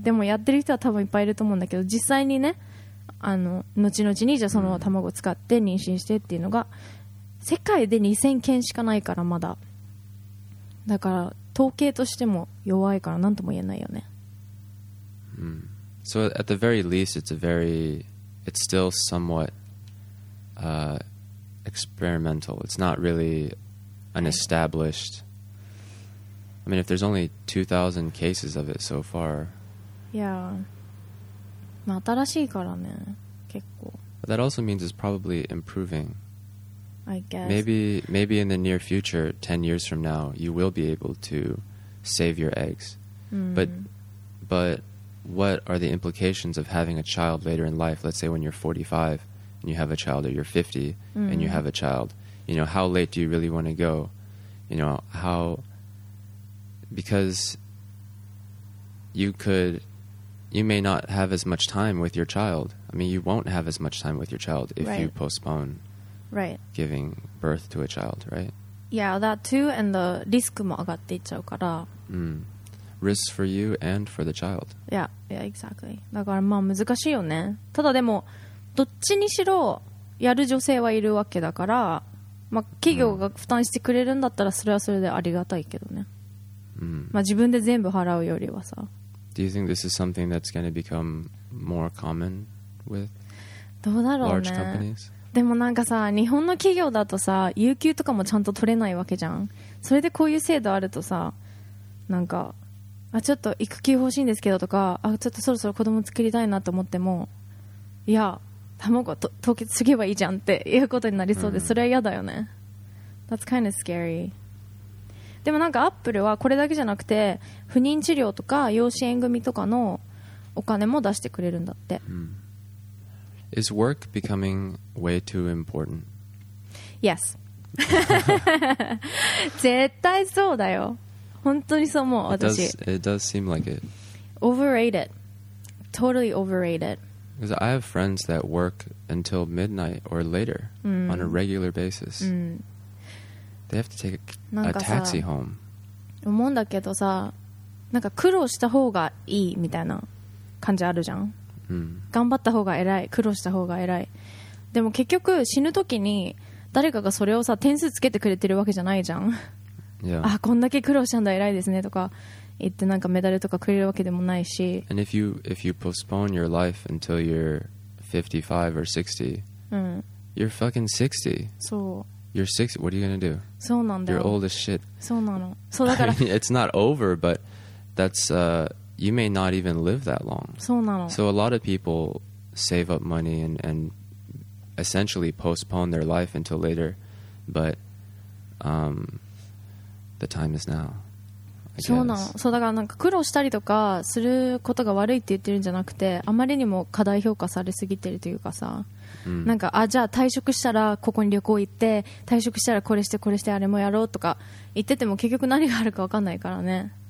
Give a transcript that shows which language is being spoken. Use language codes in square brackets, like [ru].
[ja] でもやってる人は多分いっぱいいると思うんだけど、実際にね、後々にじゃあその卵を使って妊娠してっていうのが世界で2000件しかないから、まだだから統計としても弱いから何とも言えないよね。 [en] So at the very least it's still somewhat experimental. It's not really an established, I mean if there's only 2,000 cases of it so far. Yeah. [ja] まあ、新しいからね、結構。 [en] But that also means it's probably improving. I guess. Maybe in the near future, 10 years from now, you will be able to save your eggs. But what are the implications of having a child later in life? Let's say when you're 45 and you have a child, or you're 50 and you have a child. You know, how late do you really want to go? You know, how... Because you could... You may not have as much time with your child. I mean, you won't have as much time with your child if you postpone giving birth to a child, right? Yeah, that too, and the risk [ja] も上がっていっちゃうから。 [en] Risk for you and for the child. Yeah, exactly. [ja] だからまあ難しいよね。ただでも、どっちにしろやる女性はいるわけだから、まあ企業が負担してくれるんだったらそれはそれでありがたいけどね。まあ自分で全部払うよりはさ。 [en] Do you think this is something that's going to become more common with large companies? [ja] でもなんかさ、日本の企業だとさ、有給とかもちゃんと取れないわけじゃん。それでこういう制度あるとさ、なんか、あちょっと育休欲しいんですけどとか、あちょっとそろそろ子供作りたいなと思っても、いや卵凍結すればいいじゃんっていうことになりそうで、それは嫌だよね。 [en] That's kind of scary。 [ja] でもなんかアップルはこれだけじゃなくて、不妊治療とか養子縁組とかのお金も出してくれるんだって。 [en] Is work becoming way too important? Yes. [ja] 絶対そうだよ、本当にそう思う。私 [en] it does seem like it. Overrated. Totally overrated. Because I have friends that work until midnight or later、mm. on a regular basis、mm. They have to take a taxi home. [ja] 思うんだけどさ、なんか苦労した方がいいみたいな感じあるじゃん、 mm. 頑張った方が偉い、苦労した方が偉い。でも結局死ぬ時に誰かがそれをさ点数つけてくれてるわけじゃないじゃん。 [en] Yeah. [ja] あ、こんだけ苦労したんだ偉いですねとか言って、なんかメダルとかくれるわけでもないし。 [en] And if you postpone your life until you're 55 or 60、 [ja] うん、 [en] you're fucking 60. [ja] そう、 [en] you're 60, what are you gonna do? [ja] そうなんだよ、 [en] you're old as shit. [ja] そうなの、そうだから、 [en] I mean, it's not over, but that's、you may not even live that long. [ja] そうなの、 [en] so a lot of people save up money and essentially postpone their life until later, but、The time is now. [ja] そうなの。そうだからなんか苦労したりとかすることが悪いって言ってるんじゃなくて、あまりにも過大評価されすぎてるというかさ、なんか、あ、じゃあ退職したらここに旅行行って、退職したらこれしてこれしてあれもやろうとか言ってても、結局何があるか分かんないからね。